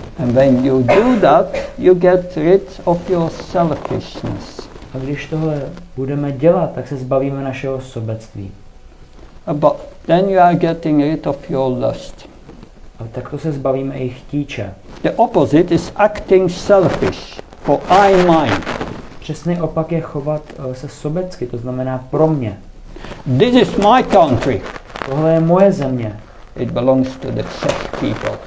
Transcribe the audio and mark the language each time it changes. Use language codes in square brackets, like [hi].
[en] And when you do that, you get rid of your selfishness. [cs] A když tohle budeme dělat, tak se zbavíme našeho sobectví. [en] But then you are getting rid of your lust. [cs] A takto se zbavíme i chtíče. [en] The opposite is acting selfish for I mine. [cs] Přesný opak je chovat se sobecky, to znamená pro mě. [en] This is my country. [cs] Tohle je moje země. [en] It belongs to the Czech people.